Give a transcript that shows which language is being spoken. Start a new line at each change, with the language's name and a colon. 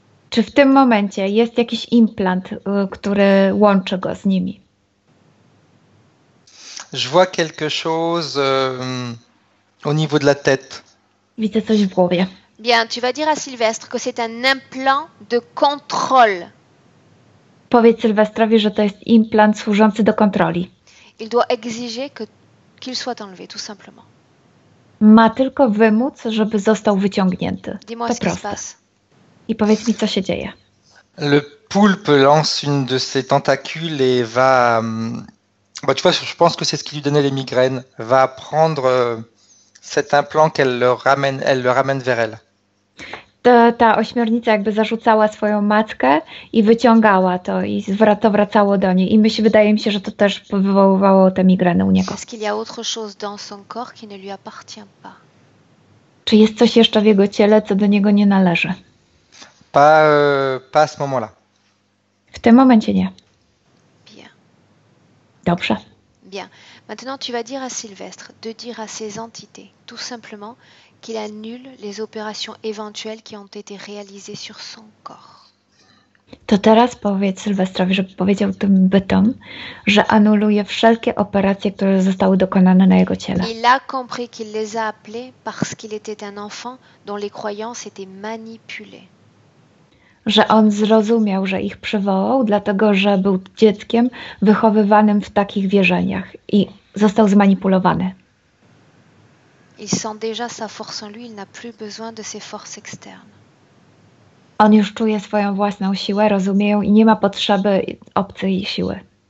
Polish: Czy w tym momencie jest jakiś implant, który łączy go z nimi?
French: Je vois quelque chose au niveau de la tête.
Polish: Widzę coś w głowie.
French: Bien, tu vas dire à Sylvestre que c'est un implant de contrôle.
Polish: Powiedz Sylwestrowi, że to jest implant służący do kontroli.
French: Il doit exiger que qu'il soit enlevé, tout simplement.
Polish: Ma tylko wymóc, żeby został wyciągnięty.
French: Dis-moi ce qui se passe.
Polish: I powiedz mi, co się dzieje.
French: Le poulpe lance une de ses tentacules et va... Bah, tu vois, je pense que c'est ce qui lui donnait les migraines. Va prendre cet implant qu'elle le ramène vers elle.
Polish: Ta ośmiornica jakby zarzucała swoją matkę i wyciągała to i to wracało do niej. I wydaje mi się, że to też wywoływało te migreny u niego.
French: Est-ce qu'il y a autre chose dans son corps qui ne lui appartient pas?
Polish: Czy jest coś jeszcze w jego ciele, co do niego nie należy?
French: Pas à ce moment-là.
Polish: W tym momencie nie. Dobrze.
French: Bien. Maintenant, tu vas dire à Sylvestre de dire à ses entités, tout simplement, qu'il annule les opérations éventuelles qui ont été réalisées sur son corps.
Polish: To teraz powiedz Sylwestrowi, żeby powiedział tym bytom, że anuluje wszelkie operacje, które zostały dokonane na jego ciele.
French: Il a compris qu'il les a appelées parce qu'il était un enfant dont les croyances étaient manipulées.
Polish: Że on zrozumiał, że ich przywołał, dlatego że był dzieckiem wychowywanym w takich wierzeniach i został zmanipulowany.
French: Il sent déjà sa force en lui, il n'a plus besoin de ses forces externes.
Polish: On już czuje swoją własną siłę, rozumie ją i nie ma potrzeby obcej siły.